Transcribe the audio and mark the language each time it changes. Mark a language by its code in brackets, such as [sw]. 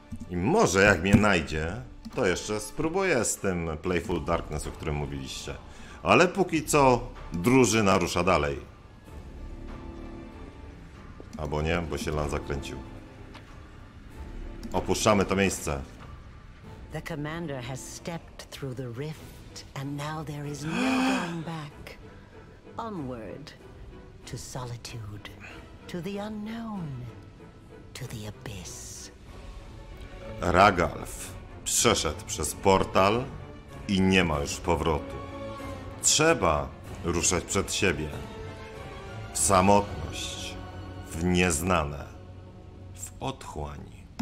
[pl] I może jak mnie znajdzie, to jeszcze spróbuję z tym Playful Darkness, o którym mówiliście. Ale póki co drużyna rusza dalej. Albo nie, bo się Lan zakręcił. Opuszczamy to miejsce. [en] The commander has stepped through the rift and now there is no going back. Onward to solitude, to the unknown, to the abyss. [pl] Ragalf przeszedł przez portal i nie ma już powrotu. Trzeba ruszać przed siebie, w samotność, w nieznane, w otchłań.